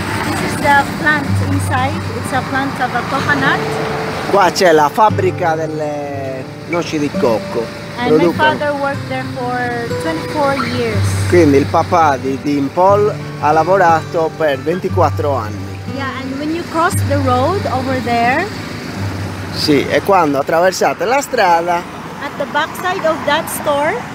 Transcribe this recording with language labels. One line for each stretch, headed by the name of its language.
English: This is the plant inside, it's a plant of a coconut.
Italian: Qua c'è la fabbrica delle noci di cocco.
English: And
Italian: producono.
English: My father worked there for 24 years.
Italian: Quindi il papà di Dean Paul ha lavorato per 24 anni.
English: Cross the road over there.
Italian: Sì, e quando attraversate la strada.
English: At the back side of that store.